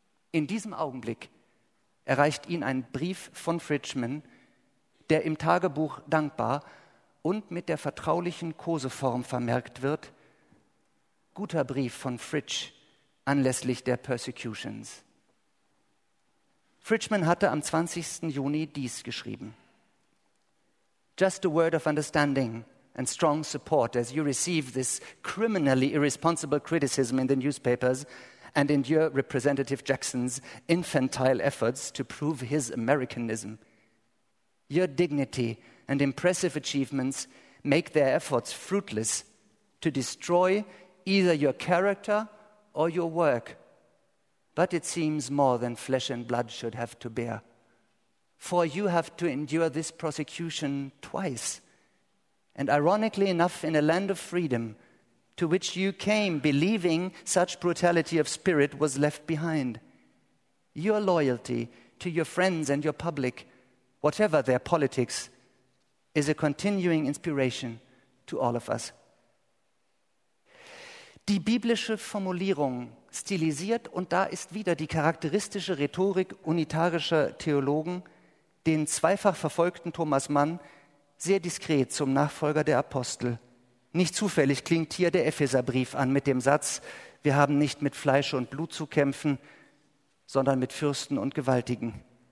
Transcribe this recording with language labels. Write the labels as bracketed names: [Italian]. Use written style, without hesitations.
[German] In diesem Augenblick erreicht ihn ein Brief von Fridgman, der im Tagebuch dankbar und mit der vertraulichen Koseform vermerkt wird: guter Brief von Fritsch anlässlich der Persecutions. Fridgman hatte am 20. Juni dies geschrieben: [English] "Just a word of understanding and strong support as you receive this criminally irresponsible criticism in the newspapers and endure Representative Jackson's infantile efforts to prove his Americanism. Your dignity and impressive achievements make their efforts fruitless to destroy either your character or your work. But it seems more than flesh and blood should have to bear. For you have to endure this prosecution twice. And ironically enough, in a land of freedom, to which you came believing such brutality of spirit was left behind. Your loyalty to your friends and your public, whatever their politics, is a continuing inspiration to all of us." [German] Die biblische Formulierung stilisiert, und da ist wieder die charakteristische Rhetorik unitarischer Theologen, den zweifach verfolgten Thomas Mann sehr diskret zum Nachfolger der Apostel. Nicht zufällig klingt hier der Epheserbrief an mit dem Satz: wir haben nicht mit Fleisch und Blut zu kämpfen, sondern mit Fürsten und Gewaltigen.